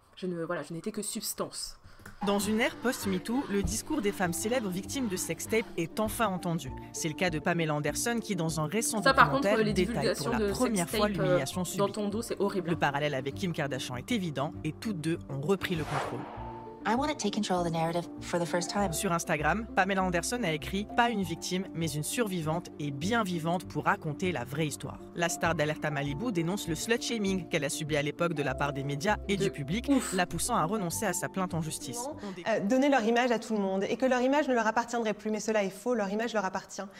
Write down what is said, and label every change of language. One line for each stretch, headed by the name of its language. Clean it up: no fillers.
French: Je n'étais que substance. Dans une ère post-MeToo, le discours des femmes célèbres victimes de sextape est enfin entendu. C'est le cas de Pamela Anderson qui, dans un récent documentaire, détaille pour la première fois l'humiliation subie. Dans ton dos, c'est horrible. Le parallèle avec Kim Kardashian est évident et toutes deux ont repris le contrôle.
English: I want to take control of the narrative for the first time.
French: Sur Instagram, Pamela Anderson a écrit « Pas une victime, mais une survivante et bien vivante pour raconter la vraie histoire ». La star d'Alerta Malibu dénonce le slut-shaming qu'elle a subi à l'époque de la part des médias et du public, la poussant à renoncer à sa plainte en justice. Donner leur image à tout le monde et que leur image ne leur appartiendrait plus, mais cela est faux, leur image leur appartient.